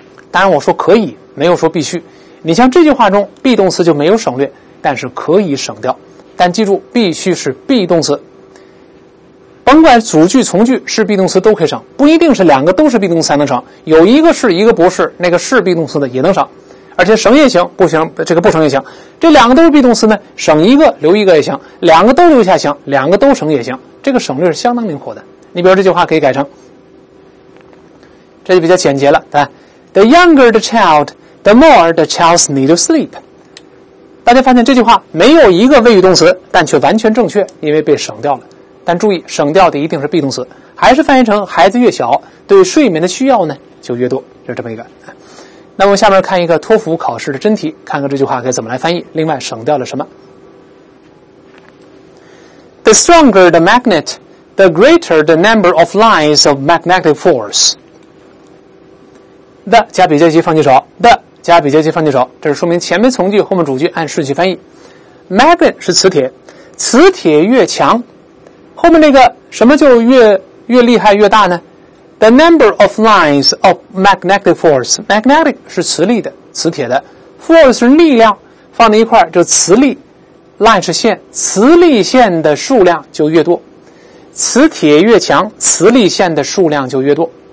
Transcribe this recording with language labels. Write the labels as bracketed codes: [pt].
[zh] 当然我说可以，没有说必须，你像这句话中 be 动词就没有省略，但是可以省掉，但记住必须是 be 动词，甭管主句从句是 be 动词都可以省，不一定是两个都是 be 动词才能省，有一个是一个不是，那个是 be 动词的也能省，而且省也行不行，这个不省也行，这两个都是 be 动词呢，省一个留一个也行，两个都留下行，两个都省也行，这个省略是相当灵活的。你比如这句话可以改成，这就比较简洁了，对吧？ [en] The younger the child, the more the child's need to sleep。 [zh] 大家发现这句话没有一个谓语动词，但却完全正确，因为被省掉了，但注意省掉的一定是 be 动词，还是翻译成孩子越小对睡眠的需要呢就越多，就这么一个。那我们下面看一个托福考试的真题，看看这句话该怎么来翻译，另外省掉了什么。 [en] The stronger the magnet, the greater the number of lines of magnetic force. [zh] The 加比较级放句首， The 加比较级放句首，这是说明前面从句后面主句按顺序翻译。 Magnet 是磁铁，磁铁越强，后面那个什么就越厉害越大呢？ [en] The number of lines of magnetic force， [zh] magnetic 是磁力的，磁铁的， force 是力量，放在一块就磁力， line 是线，磁力线的数量就越多，磁铁越强，磁力线的数量就越多。